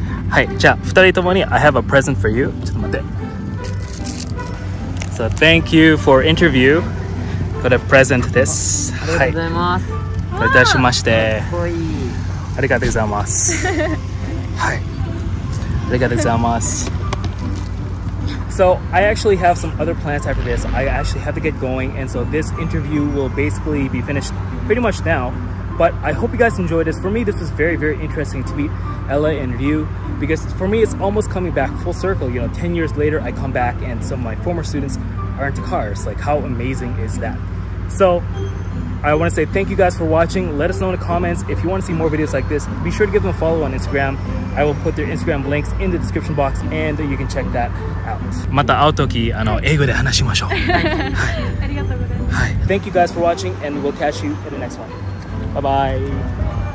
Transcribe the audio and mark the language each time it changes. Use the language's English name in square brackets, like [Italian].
[Japanese] はい、じゃあ2人ともに [English] I have a present for you、 [Japanese] ちょっと待って。 [English] So thank you for interview、 [Japanese] これプレゼントです。ありがとうございます。いたしまして、かっこいい、ありがとうございます。はい、ありがとうございます。 [English] So I actually have some other plans after this. I actually have to get going, and so this interview will basically be finished pretty much now. But I hope you guys enjoyed this. For me, this was very, very interesting to meet Ella and Ryu, because for me, it's almost coming back full circle. You know, 10 years later, I come back and some of my former students are into cars. Like, how amazing is that? So. I want to say thank you guys for watching. Let us know in the comments. If you want to see more videos like this, be sure to give them a follow on Instagram. I will put their Instagram links in the description box and you can check that out. [Japanese] また会うとき、あの、英語で話しましょう。ありがとうございます。 [English] Thank you guys for watching and we'll catch you in the next one. Bye bye.